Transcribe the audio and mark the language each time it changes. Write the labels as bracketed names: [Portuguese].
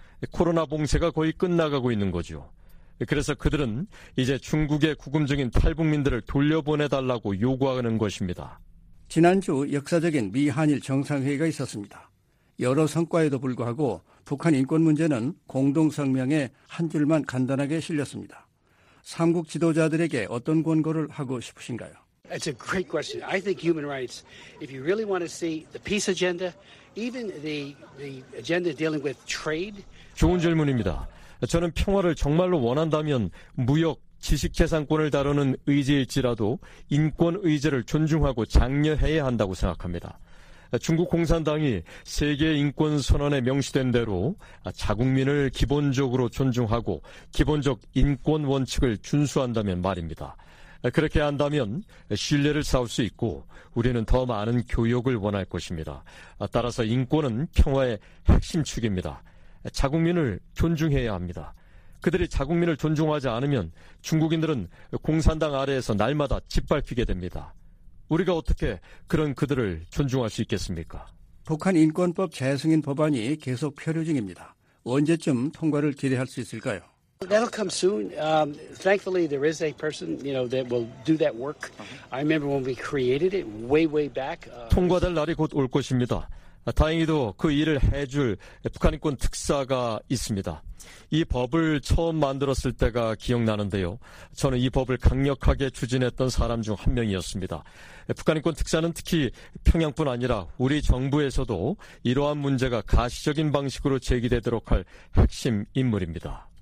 [Korean] 코로나 봉쇄가 거의 끝나가고 있는 거죠. 그래서 그들은 이제 중국의 구금 중인 탈북민들을 돌려보내달라고 요구하는 것입니다. 지난주 역사적인 미한일 정상회의가 있었습니다. 여러 성과에도 불구하고 북한 인권 문제는 공동성명에 한 줄만 간단하게 실렸습니다. 3국 지도자들에게 어떤 권고를 하고 싶으신가요? [English] It's a great question. I think human rights, if you really want to see the peace agenda, even the agenda dealing with trade. [Korean] 좋은 질문입니다. 저는 평화를 정말로 원한다면 무역, 지식재산권을 다루는 의제일지라도 인권 의제를 존중하고 장려해야 한다고 생각합니다. 중국 공산당이 세계 인권 선언에 명시된 대로 자국민을 기본적으로 존중하고 기본적 인권 원칙을 준수한다면 말입니다. 그렇게 한다면 신뢰를 쌓을 수 있고 우리는 더 많은 교역을 원할 것입니다. 따라서 인권은 평화의 핵심축입니다. 자국민을 존중해야 합니다. 그들이 자국민을 존중하지 않으면 중국인들은 공산당 아래에서 날마다 짓밟히게 됩니다. 우리가 어떻게 그런 그들을 존중할 수 있겠습니까? 북한 인권법 재승인 법안이 계속 표류 중입니다. 언제쯤 통과를 기대할 수 있을까요? [English] That'll come soon. Thankfully, there is a person, you know, that will do that work. I remember when we created it way, way back. [Korean] 통과될 날이 곧 올 것입니다. 다행히도 그 일을 해줄 북한 인권 특사가 있습니다. 이 법을 처음 만들었을 때가 기억나는데요. 저는 이 법을 강력하게 추진했던 사람 중 한 명이었습니다. 북한 인권 특사는 특히 평양뿐 아니라 우리 정부에서도 이러한 문제가 가시적인 방식으로 제기되도록 할 핵심 인물입니다.